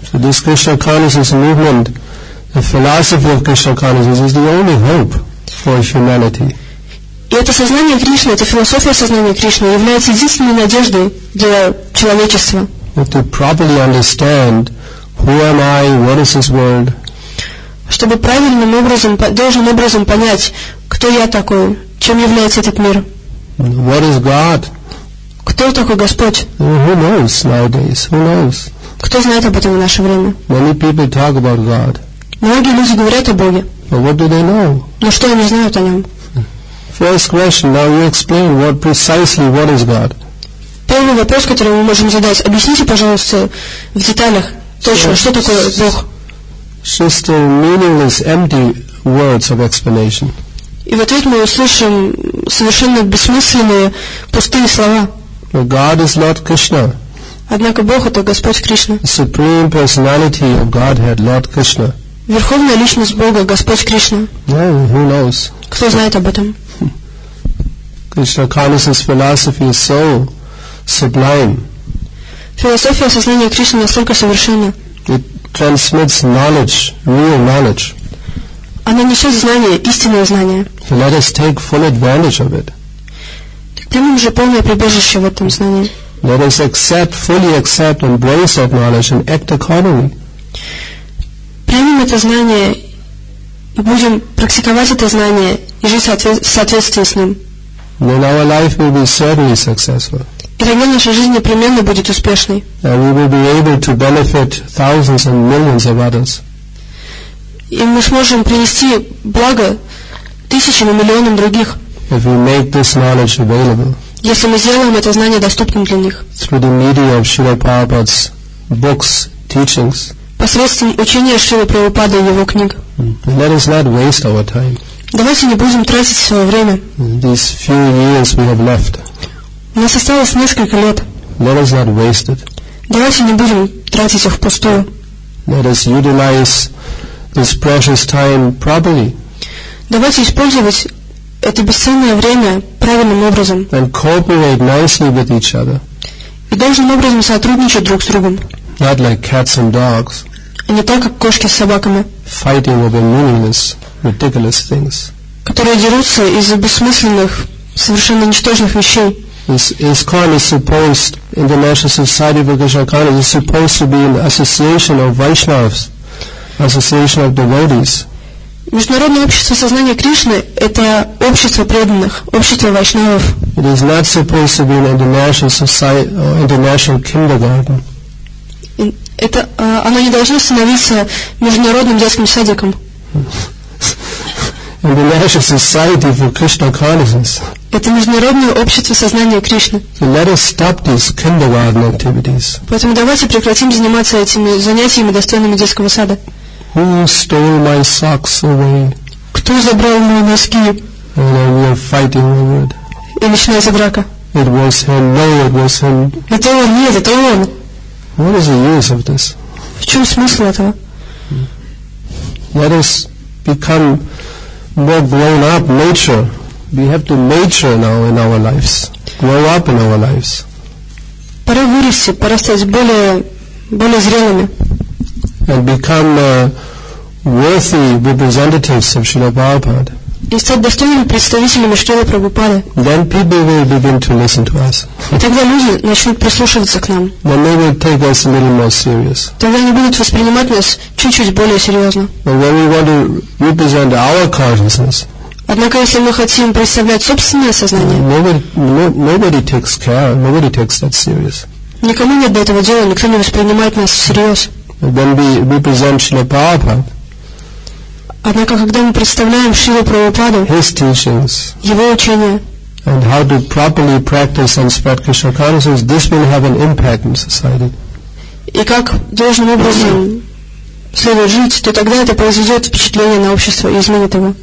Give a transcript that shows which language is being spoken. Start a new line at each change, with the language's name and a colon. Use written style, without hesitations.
English: So this Krishna consciousness movement, the philosophy of Krishna consciousness is the only hope for humanity.
Russian: И это сознание Кришны, это философия сознания Кришны является единственной надеждой для человечества.
English: To properly understand who am I, what is this world.
Russian: Чтобы правильным образом, должным образом понять, кто я такой, чем является этот мир.
English: What is God?
Russian: Кто такой Господь?
English: Who knows nowadays? Who knows?
Russian: Кто знает об этом в наше время?
English: Many people talk about God.
Russian: Многие люди говорят о Боге.
English: But what do they know?
Russian: Но что они знают о нем?
English: First question, now you explain what precisely what is God.
Russian: Первый вопрос, который мы можем задать, объясните, пожалуйста, в деталях точно, что такое Бог.
English: Just meaningless, empty words of explanation.
Russian: И в ответ мы услышим совершенно бессмысленные, пустые слова.
English: But God is Lord Krishna.
Russian: Однако Бог — это Господь Кришна.
English: The Supreme Personality of Godhead, Lord Krishna.
Russian: Верховная Личность Бога, Господь Кришна.
English: Yeah, who knows?
Russian: Кто знает об этом?
English: Krishna consciousness philosophy is so sublime.
Russian: Философия сознания Кришны настолько совершенна.
English: It transmits knowledge, real knowledge.
Russian: Она несет знание, истинное знание.
English: So let us take full advantage of it.
Russian: Так примем же полное прибежище в этом знании.
English: Let us accept, fully accept, embrace that knowledge and act accordingly.
Russian: Примем это знание и будем практиковать это знание и жить в соответствии с ним.
English: Then our life will be certainly successful.
Russian: И тогда наша жизнь непременно будет успешной.
English: And we will be able to benefit thousands and millions of others.
Russian: И мы сможем принести благо тысячам и миллионам других.
English: If we make this knowledge available.
Russian: Если мы сделаем это знание доступным для них.
English: Through the media of Srila Prabhupada's books, teachings.
Russian: Посредством учения Шрилы Прабхупады и его книг.
English: Let us not waste our time.
Russian: Давайте не будем тратить свое время.
English: These few years we have left.
Russian: У нас осталось несколько лет.
English: Let us not waste it.
Russian: Давайте не будем тратить их впустую.
English: Let us utilize this precious time properly.
Russian: Давайте использовать это бесценное время правильным образом.
English: And cooperate nicely with each other.
Russian: И должным образом сотрудничать друг с другом.
English: Not like cats and dogs.
Russian: и не так, как кошки с собаками,
English: fighting over meaningless, ridiculous things,
Russian: которые дерутся из-за бессмысленных, совершенно ничтожных вещей.
English: ISKCON is supposed, International Society of Vocational College, is supposed to be an association of Vaishnavas, association of devotees.
Russian: Международное общество сознания Кришны – это общество преданных, общество вайшнавов.
English: It is not supposed to be an international society or international kindergarten.
Russian: Это оно не должно становиться международным детским садиком.
English: International Society for Krishna Consciousness.
Russian: Это международное общество сознания Кришны.
English: So let us stop these kindergarten activities.
Russian: Поэтому давайте прекратим заниматься этими занятиями, достойными детского сада.
English: Who stole my socks away?
Russian: Кто забрал мои носки?
English: And we are fighting over it.
Russian: И начинается драка.
English: It was him. No, it was him.
Russian: Это он. Нет, это он.
English: What is the use of this?
Russian: В чем смысл этого?
English: Let us become more grown up, mature. We have to mature now in our lives. Grow up in our lives.
Russian: Пора вырасти, пора стать более зрелыми.
English: And become worthy representatives of Srila Prabhupada.
Russian: И стать достойными представителями Шрилы Прабхупады.
English: Then people will begin to listen to us.
Russian: И тогда люди начнут прислушиваться к нам.
English: Then they will take us a little more serious.
Russian: Тогда они будут воспринимать нас чуть-чуть более серьезно.
English: But when we want to represent our consciousness.
Russian: Однако если мы хотим представлять собственное сознание.
English: Nobody takes care. Nobody takes that serious.
Russian: Никому нет до этого дела. Никто не воспринимает нас всерьез.
English: When we represent Srila Prabhupada.
Russian: Однако, когда мы представляем Шрилу Прабхупаду,
English: his teachings,
Russian: его учение,
English: and how to properly practice and spread Krishna consciousness, this will have an impact in society.
Russian: И как должным образом следует жить, то тогда это произведет впечатление на общество и изменит его.